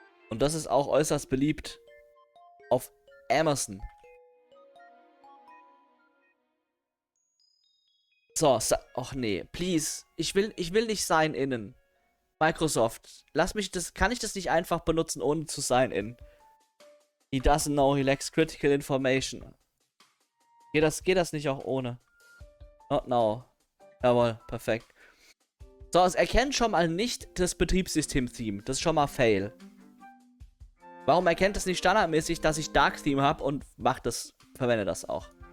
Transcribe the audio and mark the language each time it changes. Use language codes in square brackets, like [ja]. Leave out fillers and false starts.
[de] Und das ist auch äußerst beliebt. Auf Amazon. So, ach nee, [en] please. [de] Ich will nicht sein innen. Microsoft, lass mich das. Kann ich das nicht einfach benutzen, ohne zu sein in? [en] He doesn't know, he lacks critical information. [de] Geht das nicht auch ohne? [en] Not now. [de] Jawohl, perfekt. So, es erkennt schon mal nicht das Betriebssystem-Theme. Das ist schon mal fail. Warum erkennt es nicht standardmäßig, dass ich Dark Theme habe und verwende das auch?